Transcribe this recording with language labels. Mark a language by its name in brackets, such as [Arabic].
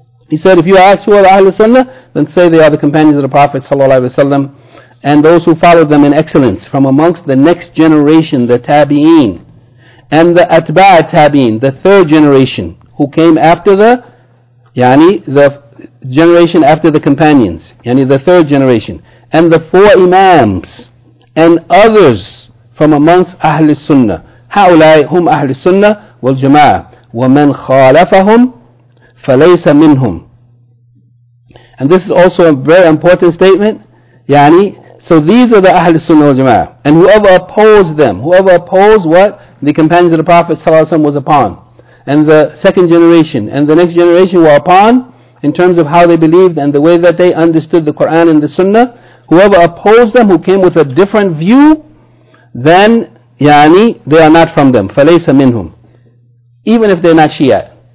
[English] He said, if you ask who are Ahl al-Sunnah, then say they are the companions of the Prophet ﷺ and those who followed them in excellence from amongst the next generation, the Tabi'een, and the Atba'a Tabi'een, the third generation, who came after the, yani, the generation after the companions, yani, the third generation, and the four Imams, and others from amongst Ahl al-Sunnah. [Arabic] هؤلاء هم أهل السنة والجماعة ومن خالفهم فليس منهم. [English] And this is also a very important statement. يعني, so these are the أهل السنة والجماعة. And whoever opposed them, whoever opposed what the companions of the Prophet صلى الله عليه وسلم was upon, and the second generation and the next generation were upon in terms of how they believed and the way that they understood the Quran and the Sunnah, whoever opposed them who came with a different view, then يعني they are not from them [Arabic] فليس منهم [English] even if they are not Shiite.